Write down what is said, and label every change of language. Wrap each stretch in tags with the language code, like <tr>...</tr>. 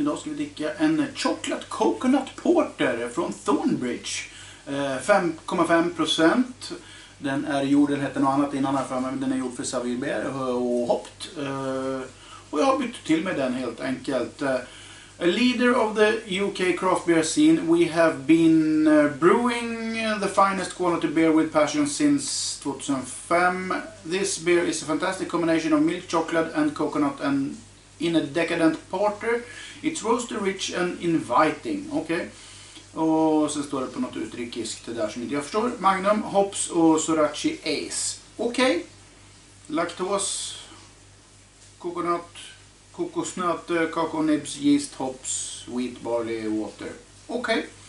<sv>Idag ska vi dricka en Chocolate Coconut Porter från Thornbridge. 5,5%. Den är gjord, den hette något annat innan här, men den är gjord för Savirbeer och Hopt. Och jag har bytt till med den helt enkelt.</sv> <en>A leader of the UK craft beer scene, we have been brewing the finest quality beer with passion since 2005. This beer is a fantastic combination of milk chocolate and coconut and in a decadent porter. It's roasted rich and inviting. Okay.</en> <sv>Och sen står det på något utrikiskt där som inte jag förstår. Magnum, hops och sorachi ace.</sv> <en>Okej. Okay. Laktos, coconut, kokosnöt, kakao, nibs, yeast, hops, wheat, barley, water. Okej. Okay.</en>